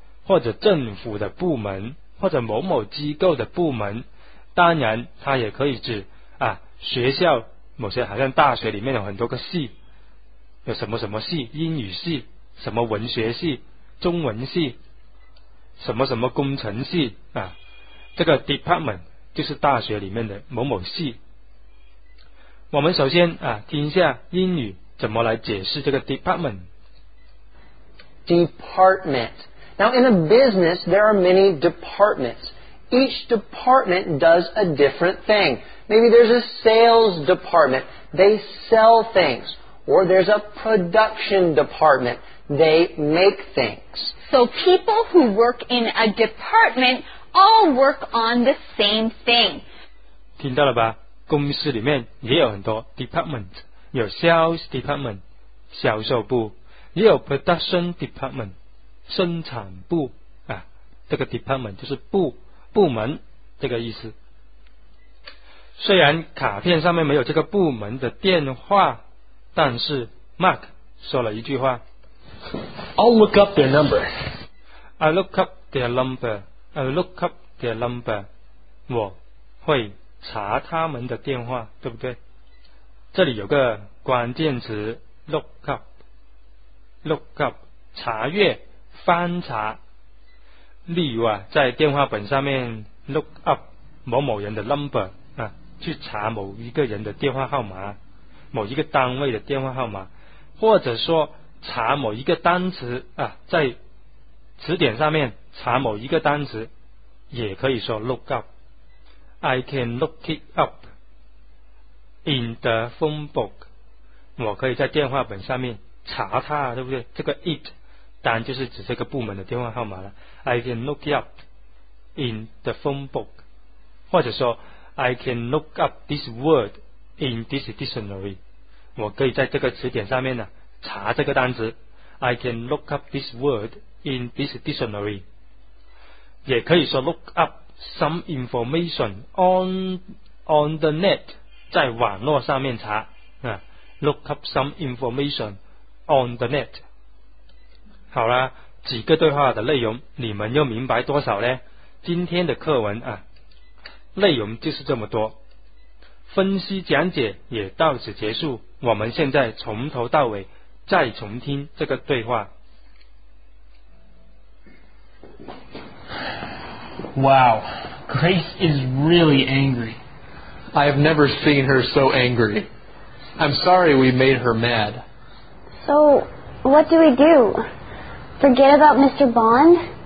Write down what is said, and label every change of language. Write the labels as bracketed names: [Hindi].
[Chinese] 或者政府的部门，或者某某机构的部门，当然它也可以指啊学校，某些好像大学里面有很多个系，有什么什么系，英语系，什么文学系，中文系，什么什么工程系啊，这个 department 就是大学里面的某某系。我们首先啊听一下英语怎么来解释这个 department。 [English] Department. Now, in a business, there are many departments. Each department does a different thing. Maybe there's a sales department. They sell things. Or there's a production department. They make things. So people who work in a department all work on the same thing. [Chinese] 听到了吧？公司里面也有很多 department. 有 sales department, 销售部，也有 production department. 生产部啊，这个 department 就是部门这个意思。虽然卡片上面没有这个部门的电话，但是 Mark 说了一句话 [English] ：“I'll look up their number. I'll look up their number. I'll look up their number. [Chinese] 我会查他们的电话，对不对？这里有个关键词 ：look up. Look up， 查阅。” 翻查，例如啊，在电话本上面 look up 某某人的 number 啊，去查某一个人的电话号码，某一个单位的电话号码，或者说查某一个单词啊，在词典上面查某一个单词，也可以说 look up。 [English] I can look it up in the phone book。 [Chinese] 我可以在电话本上面查它，对不对？这个 it。当然就是指这个部门的电话号码了。 [English] I can look up in the phone book， [Chinese] 或者说 [English] I can look up this word in this dictionary。 [Chinese] 我可以在这个词典上面呢查这个单词。 [English] I can look up this word in this dictionary。 [Chinese] 也可以说 [English] look up some information on the net， [Chinese] 在网络上面查啊。 [English] Look up some information on the net。 [Chinese] 好啦，几个对话的内容你们又明白多少呢？今天的课文啊，内容就是这么多，分析讲解也到此结束。我们现在从头到尾再重听这个对话。 [English] Wow, Grace is really angry. I have never seen her so angry. I'm sorry we made her mad. So, what do we do? Forget about Mr. Bond?